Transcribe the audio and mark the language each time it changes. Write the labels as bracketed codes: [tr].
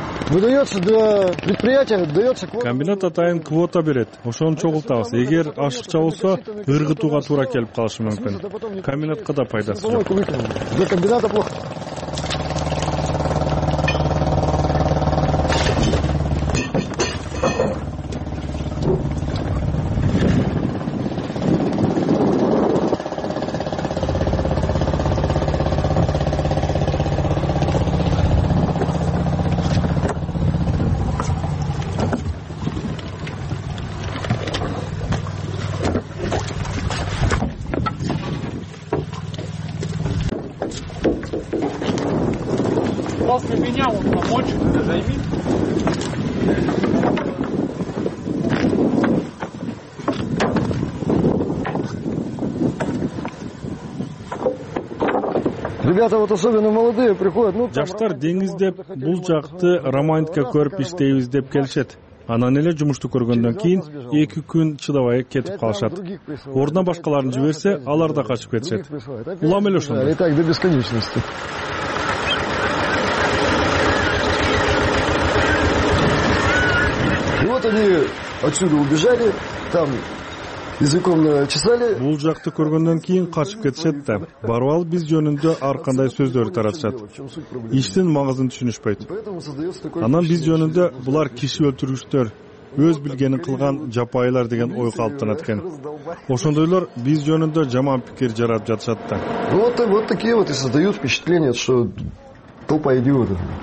[ru] Выдается до предприятия, дается [ky] квота. Комбинат атайын квота берет. Ошон чогултабыз. Эгер ашыкча болсо, ыргытууга туура келип калышы мүмкүн. Комбинатка да пайдасы жок. [ru] До комбината плохо. Ребята вот особенно молодые приходят. Ну, [ky] жаштар деңизде бул жакты романтика көрүп иштейбиз деп келишет. Анан эле жумушту көргөндөн кийин 2 күн чыдабай кетип калышат. Ордуна башкаларын жиберсе, алар да качып кетишет. Улам эле ошондой. [ru] И так до бесконечности. И вот они отсюда убежали, там языком чесали. [ky] Бул жакты көргөндөн кийин качып кетишет да. Барып алып биз жөнүндө ар кандай сөздөр таратышат. Иштин маңызын түшүнүшпөйт. Анан биз жөнүндө булар киши өлтүргүчтөр, өз билгенин кылган жапайылар деген ой калыптанат экен. Ошондойлор биз жөнүндө жаман пикир жаратып жатышат да. [ru] Вот такие вот и создают впечатление, что толпа идиотов.